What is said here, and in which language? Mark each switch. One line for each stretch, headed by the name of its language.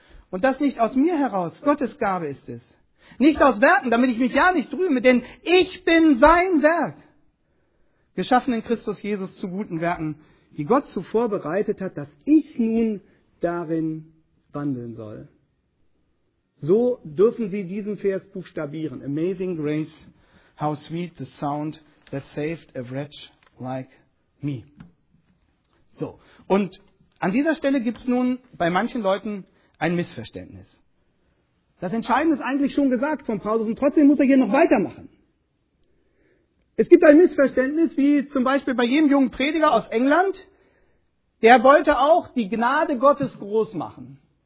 German: Und das nicht aus mir heraus, Gottes Gabe ist es. Nicht aus Werken, damit ich mich ja nicht rühme, denn ich bin sein Werk. Geschaffen in Christus Jesus zu guten Werken, die Gott zuvor bereitet hat, dass ich nun darin wandeln soll. So dürfen Sie diesen Vers buchstabieren.
English: Amazing grace, how sweet the sound that saved a wretch like me.
German: So, und an dieser Stelle gibt es nun bei manchen Leuten ein Missverständnis. Das Entscheidende ist eigentlich schon gesagt von Paulus und trotzdem muss er hier noch weitermachen. Es gibt ein Missverständnis, wie zum Beispiel bei jedem jungen Prediger aus England, der wollte auch die Gnade Gottes groß machen.